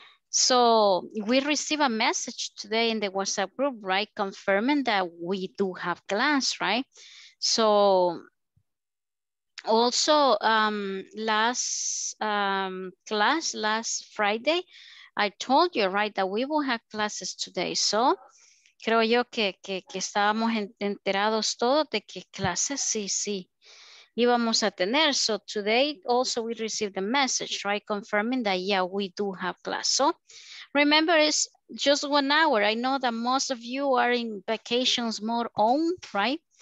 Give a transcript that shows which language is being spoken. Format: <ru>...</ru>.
<en>So we receive a message today in the WhatsApp group, right? Confirming that we do have class, right? So also last Friday, I told you, right, that we will have classes today.</en> <es>So creo yo que estábamos enterados todos de que clases, sí, sí. Íbamos a tener.</es> <en>So today also we received the message, right? Confirming that, yeah, we do have class. So remember, it's just 1 hour. I know that most of you are in vacations more on, right?</en>